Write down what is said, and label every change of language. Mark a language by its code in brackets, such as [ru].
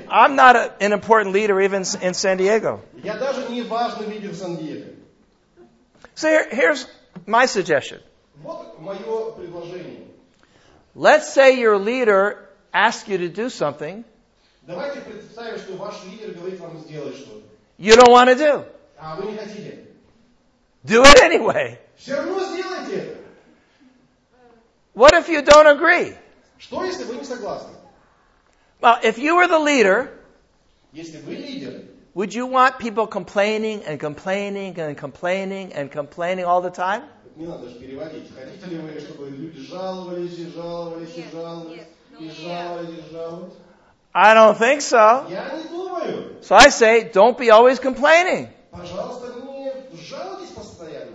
[en] I'm not an important leader even in San Diego. [ru] Я даже не важный лидер в Сан-Диего. [en] So here's my suggestion. [ru] Вот мое предложение. [en] Let's say your leader asks you to do something. [ru] Давайте представим, что ваш лидер говорит вам сделать что-то. [en] You don't want to do. [ru] А вы не хотите. [en] Do it anyway. [ru] Все равно сделайте. [en] What if you don't agree? [ru] Что если вы не согласны? [en] Well, if you were the leader, [ru] если вы лидер, [en] would you want people complaining and complaining and complaining and complaining all the time? [ru] Не надо же переводить. Хотите ли вы, чтобы люди жаловались и жаловались и жаловались и жаловались и жаловались? [en] I don't think so. [ru] Я не думаю. [en] So I say, don't be always complaining. [ru] Пожалуйста, не жалуйтесь постоянно.